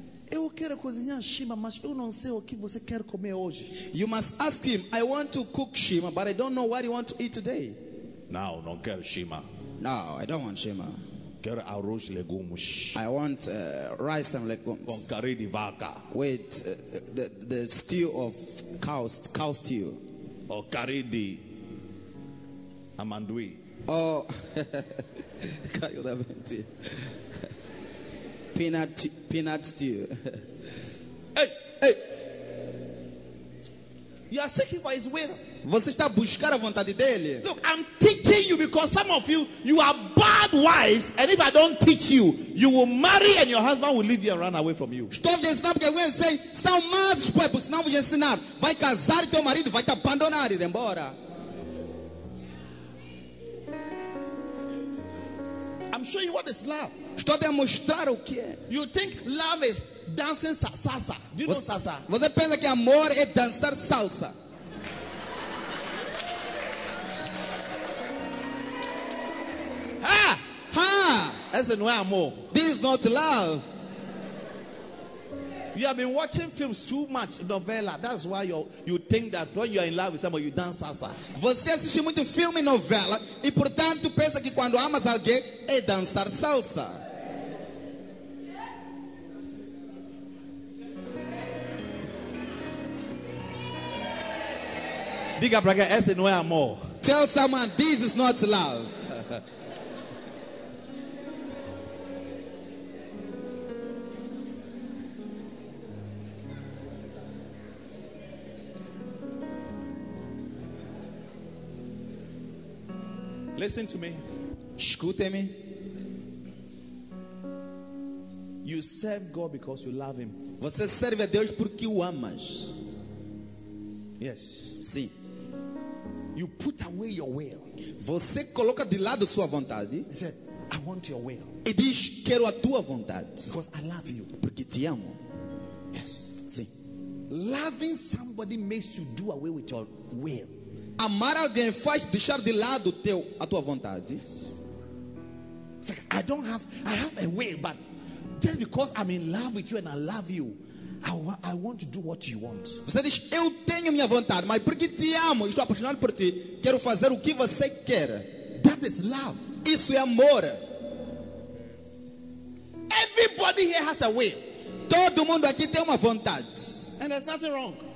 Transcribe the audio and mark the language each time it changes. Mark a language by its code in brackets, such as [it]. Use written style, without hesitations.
[pt] Eu quero cozinhar shima, mas eu não sei o que você quer comer hoje. [en] You must ask him, I want to cook shima, but I don't know what you want to eat today. [pt] Não, não quero shima. [en] No, I don't want shima. [pt] Quero arroz e legumes. [en] I want rice and legumes. [pt] Com curry de vaca. [en] With the stew of cow stew. [pt] Or curry de amendoim. [en] Oh, [pt] curry de amendoim. [en] Peanut stew. Hey. You are seeking for his will. [pt] Você está buscar a vontade dele. [en] Look, I'm teaching you because some of you are bad wives, and if I don't teach you, you will marry and your husband will leave you and run away from you. [pt] Estou te ensinando porque eu sei são maus povos, não vou te ensinar. Vai casar teu marido, vai te abandonar e ir embora. [en] I'm showing you what is love. [pt] Estou a mostrar o que é. [en] You think love is dancing salsa? Do you know salsa? [pt] Você pensa que amor é dançar salsa? Ha! Ha! Esse não é amor. [en] This is not love. You have been watching films too much, novela. That's why you think that when you are in love with somebody, you dance salsa. [pt] Você assiste muito filme e novela e portanto pensa que quando amas alguém é dançar salsa. Diga para quem, esse não é amor. [en] Tell someone this is not love. Listen to me. [pt] Escute-me. [en] You serve God because you love him. [pt] Você serve a Deus porque o amas. [en] Yes. [pt] Sim. [en] You put away your will. [pt] Você coloca de lado sua vontade. [en] He said, I want your will. [pt] E diz, quero a tua vontade. [en] Because I love you. [pt] Porque te amo. [en] Yes. [pt] Sim. [en] Loving somebody makes you do away with your will. [pt] Amar alguém faz deixar de lado a tua vontade. [en] Yes. It's like, I have a will, but just because I'm in love with you and I love you, I want to do what you want. [pt] Você diz, eu tenho minha vontade, mas porque te amo, estou apaixonado por ti, quero fazer o que você quer. [en] That is love. [pt] Isso é amor. [en] Everybody here has a will. [pt] Todo mundo aqui tem uma vontade. [en] And there's nothing wrong.